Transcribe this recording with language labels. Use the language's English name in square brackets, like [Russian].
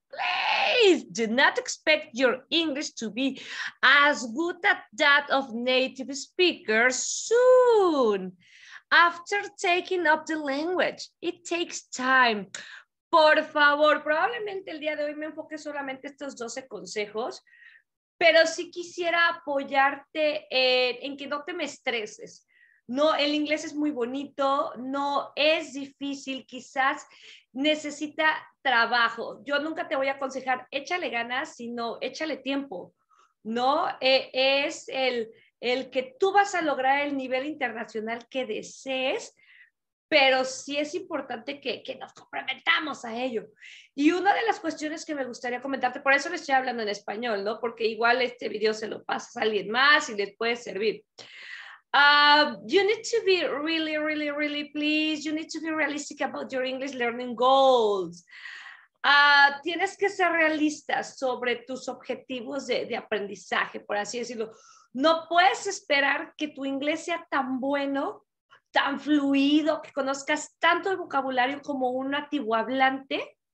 [English] Please do not expect your English to be as good as that of native speakers soon after taking up the language. It takes time. [Spanish] Por favor, probablemente el día de hoy me enfoque solamente estos 12 consejos, pero sí quisiera apoyarte en que no te me estreses. No, el inglés es muy bonito, no es difícil, quizás necesita trabajo. Yo nunca te voy a aconsejar, échale ganas, sino échale tiempo, ¿no? Es el el que tú vas a lograr el nivel internacional que desees, pero sí es importante que nos comprometamos a ello. Y una de las cuestiones que me gustaría comentarte, por eso le estoy hablando en español, ¿no? Porque igual este video se lo pasas a alguien más y les puede servir. [English] You need to be really, really, really pleased. You need to be realistic about your English learning goals. [Spanish] Tienes que ser realista sobre tus objetivos de aprendizaje, por así decirlo. No puedes esperar que tu inglés sea tan bueno, tan fluido, que conozcas tanto el vocabulario como un nativo hablante.